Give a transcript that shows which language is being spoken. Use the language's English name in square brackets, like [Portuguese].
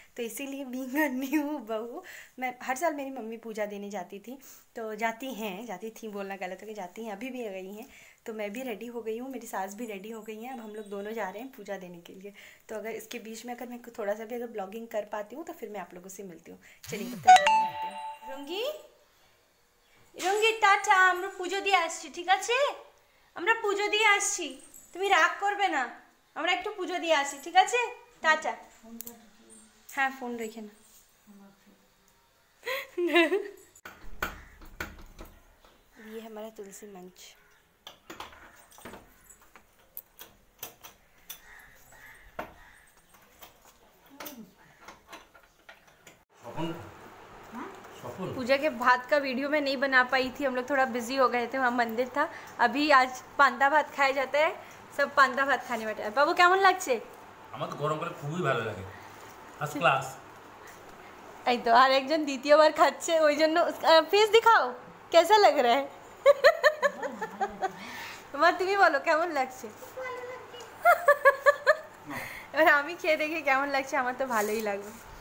[Hindi] तो इसीलिए being new बहू मैं हर साल, मेरी मम्मी पूजा देने जाती थी, तो जाती थी बोलना गलत हो गया, जाती हैं अभी भी, गई हैं। तो मैं भी रेडी हो गई हूँ, मेरी सास भी रेडी हो गई हैं, अब हम लोग दोनों जा रहे हैं पूजा देने के लिए। तो अगर इसके बीच में अगर मैं थोड़ा सा भी अगर ब्लॉगिंग कर पाती हूँ तो फिर मैं आप लोगों से मिलती हूँ। चलिए तब तक मिलती हूँ। [Bangla] रुंगी रुंगी टाटा, আমরা পূজো দিয়ে আসছি, ঠিক আছে? আমরা পূজো দিয়ে আসছি, তুমি রাগ করবে না, আমরা একটু পূজো দিয়ে আসি, ঠিক আছে? টাটা। হ্যাঁ ফোন রেখে না। [Hindi] ये हमारा तुलसी मंच। पूजा के भात का वीडियो मैं नहीं बना पाई थी, हम लोग थोड़ा बिजी हो गए थे, वहाँ मंदिर था। अभी आज पांदा भात खाया जाता है, सब पांदा भात खाने बैठे हैं। [Bangla] बाबू कैमन लगछे? [Hindi] हमें तो गरम करे खूब ही [Bangla] ভালো লাগে, [Hindi] फर्स्ट क्लास। [Bangla] এই তো আর একজন দ্বিতীয় বার খাচ্ছে, ওই জন্য ফেস দেখাও কেমন [Hindi] লাগ রহা হ্যায়। [Bangla] মা তুমি বলো কেমন লাগছে? ভালো লাগছে। আমি খেয়ে দেখি কেমন লাগছে, আমার তো ভালোই লাগবে।